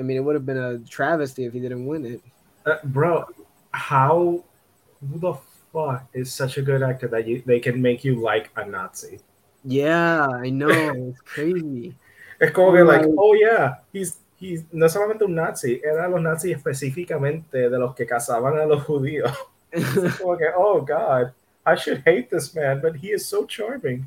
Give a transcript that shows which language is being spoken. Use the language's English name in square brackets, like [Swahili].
[English] I mean, it would have been a travesty if he didn't win it. Bro, how the f- Spock is such a good actor that they can make you like a Nazi. Yeah, I know. It's crazy. [Spanish] Es como que like, [English] oh yeah, he's [Spanish] no solamente un Nazi, era los Nazis específicamente de los que cazaban a los judíos. [English] Okay. Oh God, I should hate this man, but he is so charming.